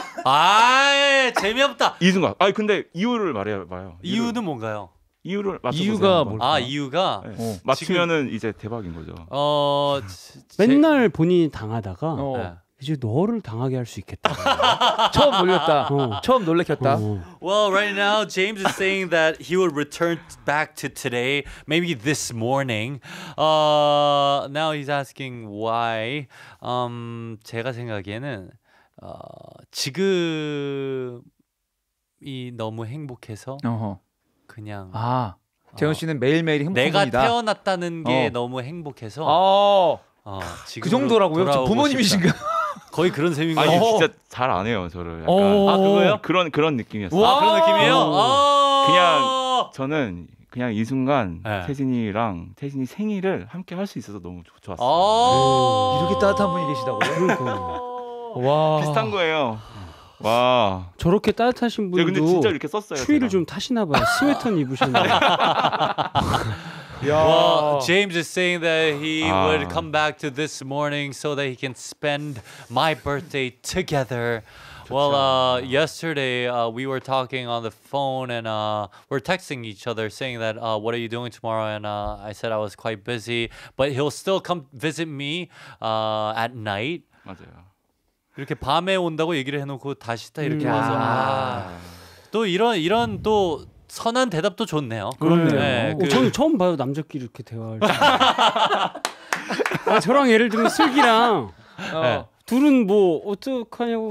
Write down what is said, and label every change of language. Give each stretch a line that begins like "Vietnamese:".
Korean: 아, 재미없다. 이 순간. 아, 근데 이유를 말해봐요. 이유는 뭔가요? 이유를 맞춰보세요. 이유가 뭘까? 아 이유가 맞추면은 이제 대박인 거죠. 맨날 본인이 당하다가 이제 너를 당하게 할 수 있겠다. 처음 놀렸다. 처음 놀래켰다.
English: Well, right now James is saying that he will return back to today, maybe this morning. Now he's asking why.
Korean: 제가 생각에는 지금이 너무 행복해서. 그냥 아 재원 씨는 매일매일 행복합니다. 내가 태어났다는 게 너무 행복해서 그 정도라고요? 부모님이신가? 거의 그런 셈인 거예요. 아니 진짜 잘 안 해요 저를. 약간 그거요? 그런 느낌이었어요. 아 그런 느낌이에요? 그냥 저는 그냥 이 순간 네. 태진이랑 태진이 생일을 함께 할 수 있어서 너무 좋았어요. 이렇게 따뜻한 분이 계시다고요? 와 비슷한 거예요. 와 저렇게 따뜻하신 분도 근데 진짜 이렇게 썼어요. 추위를 제가. 좀 타시나 봐요. 스웨터는 입으셨나요?
English: Well, James is saying that he would come back to this morning so that he can spend my birthday together. Well, yesterday we were talking on the phone and we're texting each other saying that what are you doing tomorrow? And I said I was quite busy, but he'll still come visit me at night.
Korean: 맞아요. 이렇게 밤에 온다고 얘기를 해놓고 다시 또 이렇게 와서 또 이런 또 선한 대답도 좋네요. 그렇네요. 네, 저는 처음 봐요 남자끼리 이렇게 대화할 때. 저랑 예를 들면 슬기랑 둘은 뭐 어떡하냐고.